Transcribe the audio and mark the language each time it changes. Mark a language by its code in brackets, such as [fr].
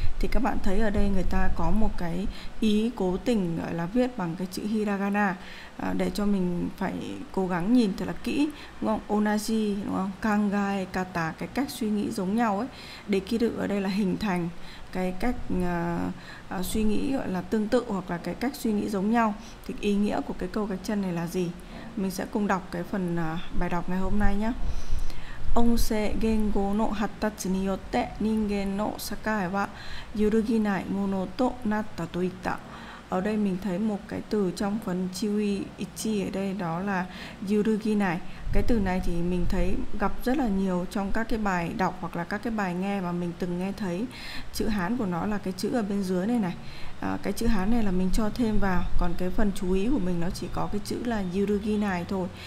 [vi] Thì các bạn thấy ở đây người ta có một cái ý cố tình gọi là viết bằng cái chữ hiragana để cho mình phải cố gắng nhìn thật là kỹ, đúng không? Onaji, đúng không? Kangae kata, cái cách suy nghĩ giống nhau ấy. Dekiru ở đây là hình thành, cái cách suy nghĩ gọi là tương tự hoặc là cái cách suy nghĩ giống nhau. Thì ý nghĩa của cái câu gạch chân này là gì? Mình sẽ cùng đọc cái phần bài đọc ngày hôm nay nhé. [ja] 音声言語の発達によって人間の境は揺るぎないものとなったといった。 [vi] Ở đây mình thấy một cái từ trong phần chiwi ichi ở đây, đó là yurugi này. Cái từ này thì mình thấy gặp rất là nhiều trong các cái bài đọc hoặc là các cái bài nghe mà mình từng nghe thấy. Chữ Hán của nó là cái chữ ở bên dưới này này. Cái chữ Hán này là mình cho thêm vào, còn cái phần chú ý của mình nó chỉ có cái chữ là yurugi này thôi.